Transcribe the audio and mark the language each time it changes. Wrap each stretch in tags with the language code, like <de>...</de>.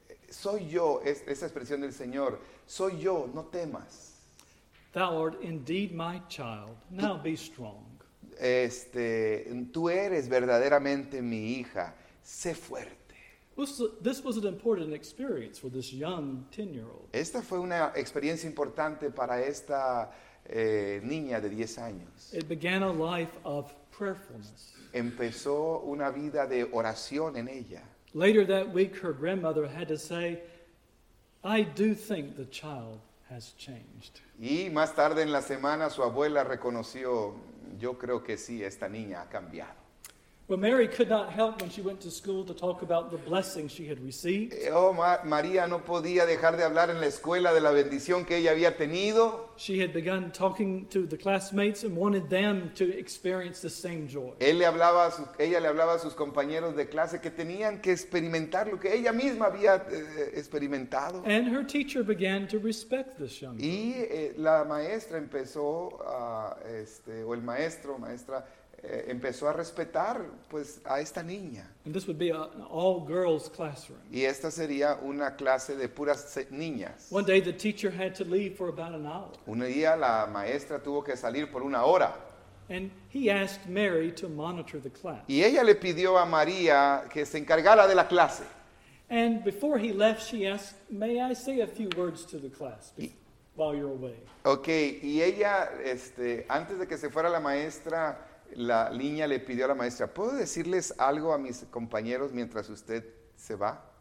<es>Soy yo, esa expresión del Señor, soy yo, no temas.</es> <en>Thou art indeed my child. Now be strong.</en> <es>Tú eres verdaderamente mi hija. Sé fuerte.</es> <en>This was an important experience for this young 10-year-old.</en> <es>Esta fue una experiencia importante para esta niña de 10 años.</es> <en>It began a life of prayerfulness.</en> <es>Empezó una vida de oración en ella.</es> <en>Later that week, her grandmother had to say, I do think the child has changed.</en> <es>Y más tarde en la semana su abuela reconoció, yo creo que sí, esta niña ha cambiado.</es> <en>Well, Mary could not help when she went to school to talk about the blessing she had received.</en> <es>María no podía dejar de hablar en la escuela de la bendición que ella había tenido.</es> <en>She had begun talking to the classmates and wanted them to experience the same joy.</en> <es>Ella le hablaba a sus compañeros de clase que tenían que experimentar lo que ella misma había experimentado.</es> <en>And her teacher began to respect this young man.</en> <es>Y la maestra empezó a, o el maestro, maestra, empezó a respetar pues a esta niña.</es> <en>And this would be an all girls classroom.</en> <es>Y esta sería una clase de puras niñas.</es> <en>One day the teacher had to leave for about an hour.</en> <es>Un día la maestra tuvo que salir por una hora.</es> <en>And he asked Mary to monitor the class.</en> <es>Y ella le pidió a María que se encargara de la clase.</es> <en>And before he left she asked, "May I say a few words to the class while you're away?"</en> <es>Okay, y ella antes de que se fuera la maestra, la niña le pidió a la maestra, ¿puedo decirles algo a mis compañeros mientras usted se va?</es>